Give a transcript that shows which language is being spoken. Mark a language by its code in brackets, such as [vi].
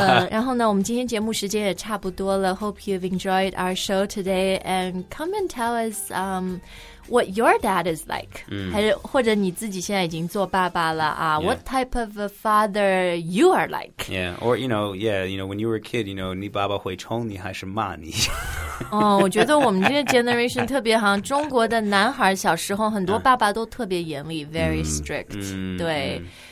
[zh] 然后呢，我们今天节目时间也差不多了。 [en] Hope you've enjoyed our show today, and come and tell us what your dad is like,、 mm. [zh] 还是或者你自己现在已经做爸爸了啊、 [en] yeah. ,what type of a father you are like? Yeah, or, you know, when you were a kid, you know, [zh] 你爸爸会冲你还是骂你。哦、oh, 我觉得我们这个 generation 特别好像中国的男孩小时候很多爸爸都特别严厉 , [en] very strict,、 mm. [zh] 对。 Mm.